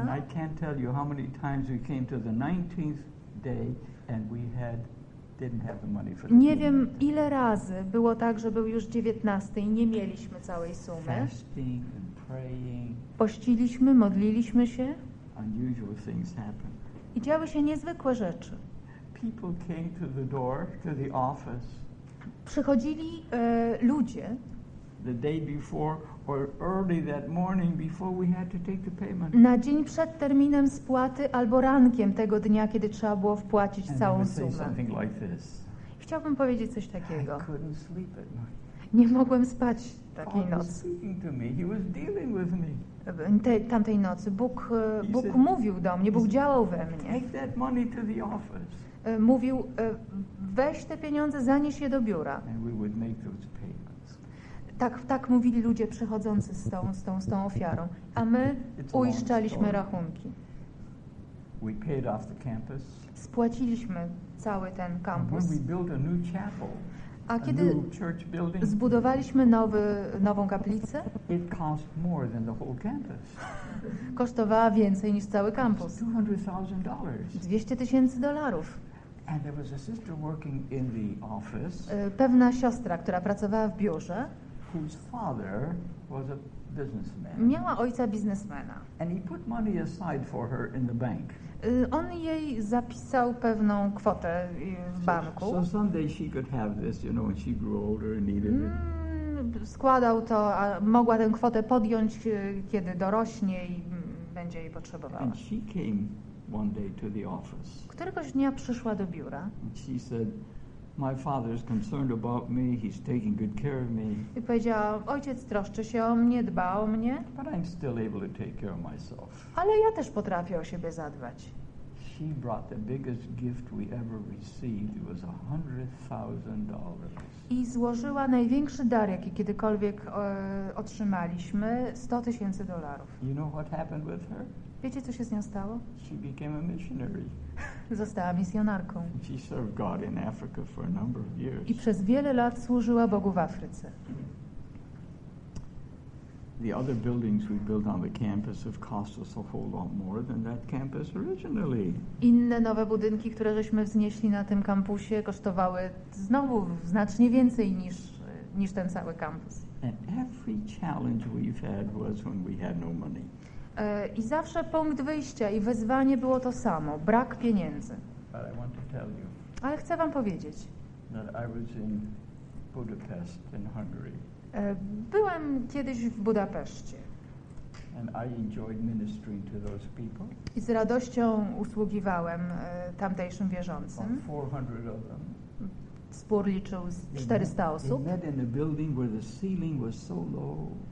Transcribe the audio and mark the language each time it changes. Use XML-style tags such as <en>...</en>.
<en>And I can't tell you how many times we came to the 19th day. And we had, didn't have the money for the</en> <pl>nie wiem, ile razy było tak, że był już 19 i nie mieliśmy całej sumy.</pl> <en>Fasting and praying.</en> <pl>Pościliśmy, modliliśmy się.</pl> <en>Unusual things happen.</en> <pl>I działy się niezwykłe rzeczy.</pl> <en>People came to the door, to the office.</en> <pl>Przychodzili ludzie.</pl> <en>The day before or early that morning before we had to take the payment.</en> <pl>Na dzień przed terminem spłaty albo rankiem tego dnia, kiedy trzeba było wpłacić całą sumę. Chciałbym powiedzieć coś takiego.</pl> <en>I couldn't sleep at night.</en> <pl>Nie mogłem spać takiej nocy.</pl> <en>Speaking to me. He was dealing with me.</en> <pl>Tamtej nocy Bóg</pl> <en>said,</en> <pl>mówił do mnie, Bóg działał we mnie.</pl> <en>Take that money to the office.</en> <pl>Mówił: weź te pieniądze, zanieś je do biura.</pl> <en>And we would make those payments.</en> <pl>Tak mówili ludzie przychodzący z tą ofiarą. A my uiszczaliśmy rachunki.</pl> <en>We paid off the campus.</en> <pl>Spłaciliśmy cały ten kampus.</pl> <en>When we built a new chapel,</en> <pl>a kiedy</pl> <en>a new church building,</en> <pl>zbudowaliśmy nową kaplicę,</pl> <en>it cost more than the whole campus.</en> <pl>Kosztowała więcej niż cały kampus.</pl> <en>$200,000. And there was a sister working in the office.</en> <pl>Pewna siostra, która pracowała w biurze,</pl> <en>whose father was a businessman.</en> <pl>Miała ojca biznesmena.</pl> <en>And he put money aside for her in the bank.</en> <pl>On jej zapisał pewną kwotę w banku.</pl> <en>So someday she could have this, you know, when she grew older and needed it.</en> <pl>Składał to, a mogła tę kwotę podjąć, kiedy dorośnie i będzie jej potrzebowała.</pl> <en>And she came one day to the office.</en> <pl>Któregoś dnia przyszła do biura.</pl> <en>And she said, my father is concerned about me. He's taking good care of me.</en> <pl>I powiedziała: ojciec troszczy się o mnie, dba o mnie.</pl> <en>But I'm still able to take care of myself.</en> <pl>Ale ja też potrafię o siebie zadbać.</pl> <en>She brought the biggest gift we ever received. It was $100,000.</en> <pl>I złożyła największy dar, jaki kiedykolwiek otrzymaliśmy, $100,000.</pl> <en>You know what happened with her?</en> <pl>Wiecie, co się z nią stało?</pl> <en>She became a missionary.</en> <pl>Została misjonarką.</pl> <en>She served God in Africa for a number of years.</en> <pl>I przez wiele lat służyła Bogu w Afryce.</pl> <en>The other buildings we built on the campus have cost us a whole lot more than that campus originally.</en> <pl>Inne nowe budynki, które żeśmy wznieśli na tym kampusie, kosztowały znowu znacznie więcej niż ten cały kampus.</pl> <en>And every challenge we've had was when we had no money.</en> <pl>I zawsze punkt wyjścia i wyzwanie było to samo: brak pieniędzy.</pl> <en>But I want to tell you,</en> <pl>ale chcę wam powiedzieć,</pl> <en>that I was in Budapest in Hungary.</en> <pl>Byłem kiedyś w Budapeszcie.</pl> <en>And I enjoyed ministering to those people.</en> <pl>I z radością usługiwałem tamtejszym wierzącym.</pl> <en>About 400 of them.</en> <pl>Spór liczył 400 osób.</pl> <en>They met in a building where the ceiling was so low.</en>